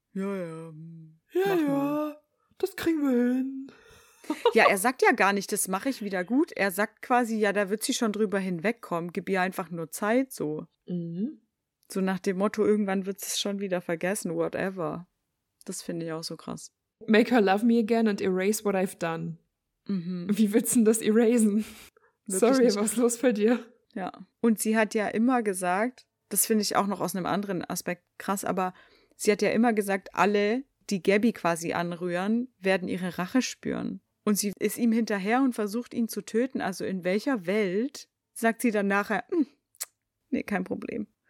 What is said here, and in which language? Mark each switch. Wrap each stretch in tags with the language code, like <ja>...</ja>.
<de>Ja, ja. Ja, ja, das kriegen wir hin. Ja, er sagt ja gar nicht, das mache ich wieder gut. Er sagt quasi, ja, da wird sie schon drüber hinwegkommen. Gib ihr einfach nur Zeit, so. Mhm. So nach dem Motto, irgendwann wird es schon wieder vergessen, whatever. Das finde ich auch so krass.</de> <en>Make her love me again and erase what I've done. Mhm.</en> <de>Wie willst du denn das erasen? Sorry, was ist los bei dir? Ja, und sie hat ja immer gesagt, das finde ich auch noch aus einem anderen Aspekt krass, aber sie hat ja immer gesagt, alle, die Gabby quasi anrühren, werden ihre Rache spüren. Und sie ist ihm hinterher und versucht, ihn zu töten. Also in welcher Welt sagt sie dann nachher, nee, kein Problem.</de>